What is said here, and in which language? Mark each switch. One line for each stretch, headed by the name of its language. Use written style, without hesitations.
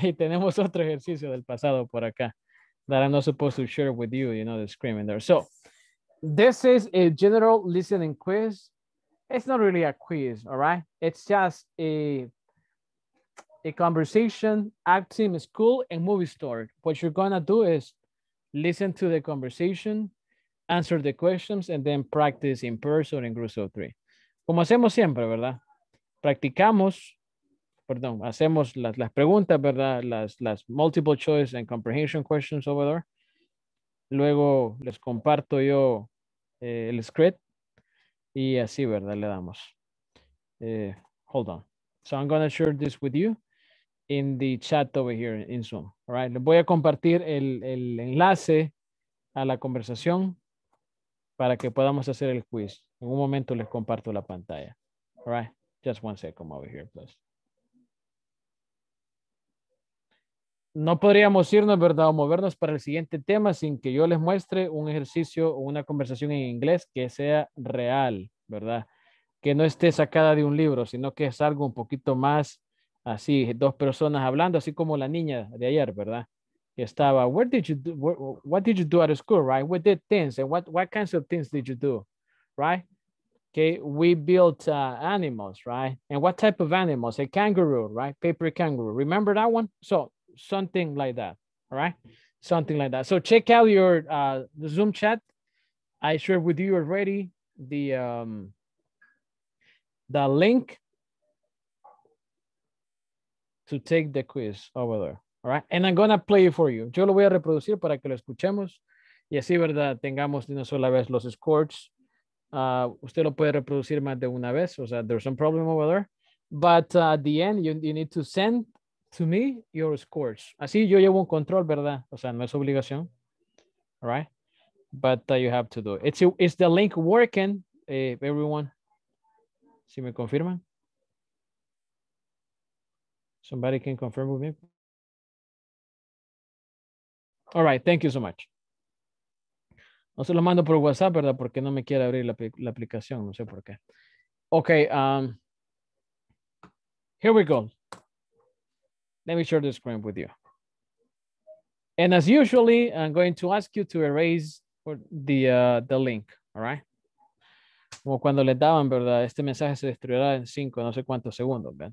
Spanish: Y tenemos otro ejercicio del pasado por acá.
English: That I'm not supposed to share with you, you know, the screaming there. So... This is a general listening quiz. It's not really a quiz, all right? It's just a conversation, acting, school, and movie story. What you're going to do is listen to the conversation, answer the questions, and then practice in person in groups of three.
Spanish: Como hacemos siempre, ¿verdad? Practicamos, perdón, hacemos las preguntas, ¿verdad?
English: Las multiple choice and comprehension questions over there.
Spanish: Luego les comparto yo el script y así, ¿verdad? Le damos.
English: Hold on. So I'm going to share this with you in the chat over here in Zoom. All right.
Spanish: Les voy a compartir el enlace a la conversación para que podamos hacer el quiz. En un momento les comparto la pantalla.
English: All right, just one second over here, please.
Spanish: No podríamos irnos, ¿verdad? O movernos para el siguiente tema sin que yo les muestre un ejercicio o una conversación en inglés que sea real, ¿verdad? Que no esté sacada de un libro, sino que es algo un poquito más así, dos personas hablando, así como la niña de ayer, ¿verdad? Que estaba,
English: where did you do, what did you do at school, right? We did things, and what kinds of things did you do, right? Okay, we built animals, right? And what type of animals? A kangaroo, right? Paper kangaroo. Remember that one? So, something like that, all right? Something like that. So, check out your Zoom chat. I shared with you already the link to take the quiz over there, all right? And I'm going to play it for you.
Spanish: Yo lo voy a reproducir para que lo escuchemos. Y así, ¿verdad? Tengamos de una sola vez los scores. Usted lo puede reproducir más de una vez. O sea,
English: there's some problem over there. But at the end, you need to send to me your scores.
Spanish: Así yo llevo un control, ¿verdad? O sea, no es obligación. All right?
English: But you have to do it. Is the link working, everyone?
Spanish: ¿Sí me confirman?
English: Somebody can confirm with me. All right, thank you so much.
Spanish: No se lo mando por WhatsApp, ¿verdad? Porque no me quiere abrir la aplicación, no sé por qué.
English: Okay, here we go. Let me share the screen with you. And as usually, I'm going to ask you to erase the link, all right?
Spanish: Como cuando les daban, ¿verdad? Este mensaje se destruirá en 5, no sé cuántos segundos, ¿verdad?